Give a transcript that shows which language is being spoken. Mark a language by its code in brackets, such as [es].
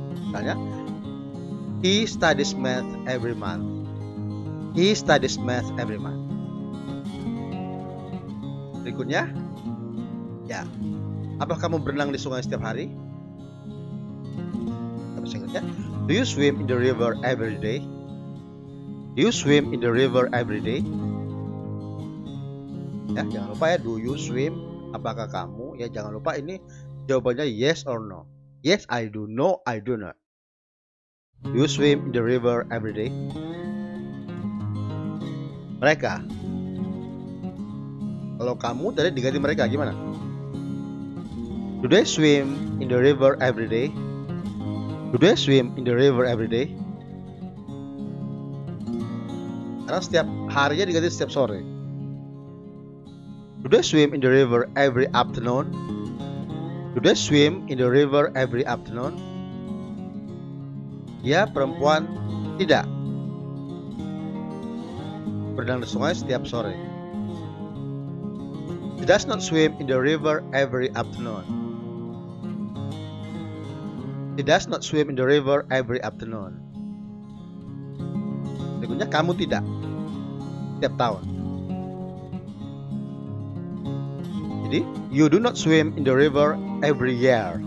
[id] Misalnya [en] he studies math every month. He studies math every month. [id] Berikutnya ya. Apakah kamu berenang di sungai setiap hari? Apa singkatnya? [en] Do you swim in the river every day? Do you swim in the river every day? [id] Ya, jangan lupa ya, [en] do you swim? [id] Apakah kamu? Ya, jangan lupa ini jawabannya [en] yes or no. Yes, I do. No, I do not. Do you swim in the river every day? [id] Mereka. Kalau kamu tadi diganti mereka, gimana? [en] Do they swim in the river every day? Do they swim in the river every day? [id] Karena setiap harinya diganti setiap sore. [en] Do they swim in the river every afternoon? Do they swim in the river every afternoon? [id] Ya, perempuan tidak berenang di sungai setiap sore. [en] She does not swim in the river every afternoon. She does not swim in the river every afternoon. [id] Berikutnya, kamu tidak setiap tahun. [en] You do not swim in the river every year.